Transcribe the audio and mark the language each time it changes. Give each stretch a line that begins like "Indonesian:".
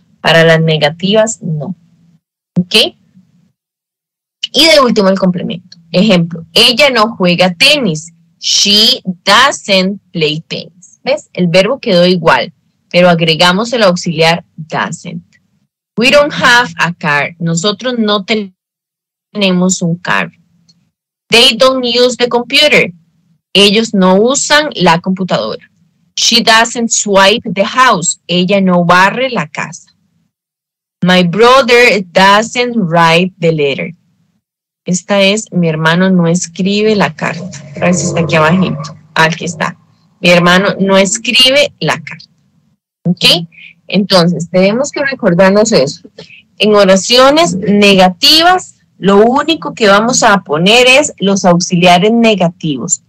Spanish: Para las negativas, no. ¿Ok? Y de último, el complemento. Ejemplo, ella no juega tenis.
English: She doesn't play tennis.
Spanish: ¿Ves? El verbo quedó igual, pero agregamos el auxiliar doesn't.
English: We don't have a car.
Spanish: Nosotros no tenemos un carro.
English: They don't use the computer.
Spanish: Ellos no usan la computadora.
English: She doesn't swipe the house.
Spanish: Ella no barre la casa.
English: My brother doesn't write the letter.
Spanish: Esta es, mi hermano no escribe la carta. Gracias, está aquí abajito. Aquí está. Mi hermano no escribe la carta. ¿Ok? Entonces, tenemos que recordarnos eso. En oraciones negativas, lo único que vamos a poner es los auxiliares negativos.